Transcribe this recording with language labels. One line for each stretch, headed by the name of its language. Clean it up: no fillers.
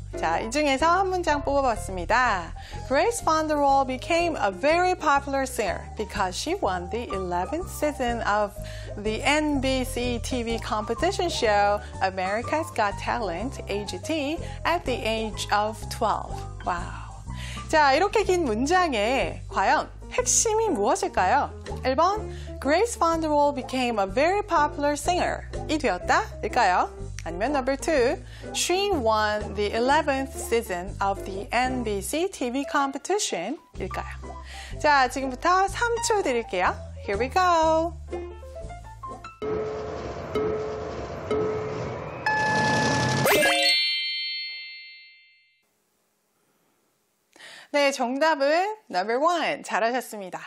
Korean: 자, 이 중에서 한 문장 뽑아봤습니다.
English: Grace VanderWaal became a very popular singer because she won the 11th season of the NBC TV competition show America's Got Talent, AGT, at the age of 12. Wow.
Korean: 자, 이렇게 긴 문장에 과연 핵심이 무엇일까요?
English: 1번, Grace VanderWaal became a very popular singer.
Korean: 이 되었다? 일까요?
English: 아니면 number two, she won the 11th season of the NBC TV competition
Korean: 일까요? 자, 지금부터 3초 드릴게요.
English: Here we go.
Korean: 네, 정답은
English: number one.
Korean: 잘하셨습니다.